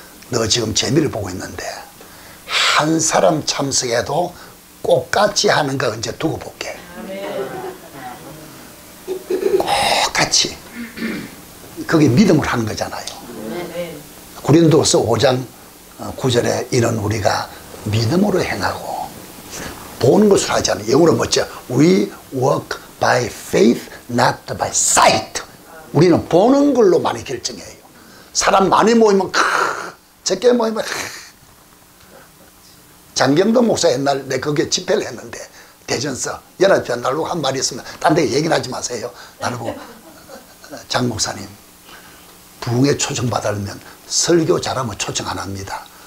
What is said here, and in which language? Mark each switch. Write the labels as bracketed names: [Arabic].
[Korean] 너 지금 재미를 보고 있는데 한 사람 참석해도 꼭 같이 하는 거 이제 두고 볼게. 꼭 같이. 그게 믿음을 하는 거잖아요. 고린도서 5장 9절에 이런 우리가 믿음으로 행하고 보는 것으로 하지 않아요. 영어로 뭐죠? [English] We walk by faith, not by sight. [Korean] 우리는 보는 걸로 많이 결정해요. 사람 많이 모이면 크, 적게 모이면 크. 장경도 목사 옛날 내 거기에 집회를 했는데 대전서 연합회 날로 한 말이 있으면 딴 데 얘기는 하지 마세요. 나르고 장 목사님 부흥에 초청받으면 설교 잘하면 초청 안 합니다.